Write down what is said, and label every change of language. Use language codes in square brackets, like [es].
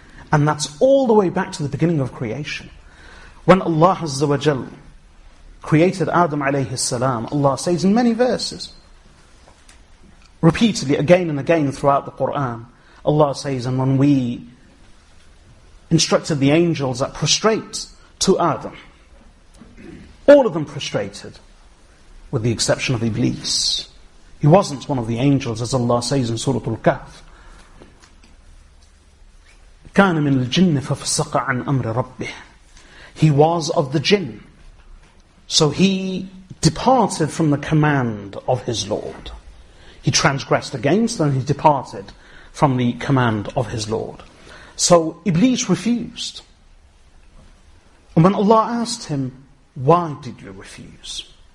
[en] And that's all the way back to the beginning of creation. When Allah Azza wa Jal created Adam alayhi salam, Allah says in many verses, repeatedly again and again throughout the Quran, Allah says, and when we instructed the angels that prostrate to Adam, all of them prostrated, with the exception of Iblis. He wasn't one of the angels, as Allah says in Surah Al-Kahf. [ar] كان من الجن ففسق عن أمر ربه. [en] He was of the jinn, so he departed from the command of his Lord. He transgressed against and he departed from the command of his Lord. So Iblis refused. And when Allah asked him, why did you refuse?